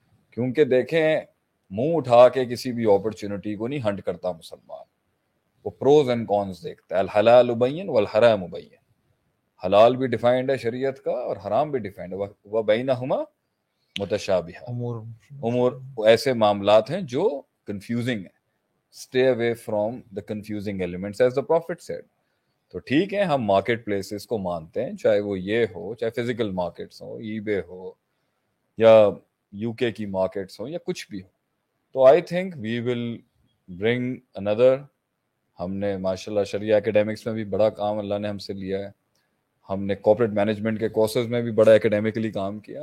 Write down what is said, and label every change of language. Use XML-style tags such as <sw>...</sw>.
<ur>کیونکہ دیکھیں، منہ اٹھا کے کسی بھی اپرچونیٹی کو نہیں ہنٹ کرتا مسلمان، وہ پروز اینڈ کونز دیکھتا ہے.</ur> <ar>الحلال مبین والحرام مبین،</ar> <ur>حلال بھی ڈیفائنڈ ہے شریعت کا اور حرام بھی ڈیفائنڈ ہے.</ur> <ar>وبینہما متشابہ امور،</ar> <ur>امور ایسے معاملات ہیں جو کنفیوزنگ ہیں.</ur> <en>Stay away from the confusing elements as the prophet said.</en> <ur>تو ٹھیک ہے، ہم مارکیٹ پلیسز کو مانتے ہیں، چاہے وہ یہ ہو، چاہے فزیکل مارکیٹس ہوں، ای بے ہو یا یو کے کی مارکیٹس ہوں یا کچھ بھی ہو. تو</ur> <en>I think we will bring</en> <ur>اندر، ہم نے ماشاء اللہ شریعہ اکیڈیمکس میں بھی بڑا کام اللہ نے ہم سے لیا ہے، ہم نے کارپوریٹ مینجمنٹ کے کورسز میں بھی بڑا اکیڈیمکلی کام کیا.</ur>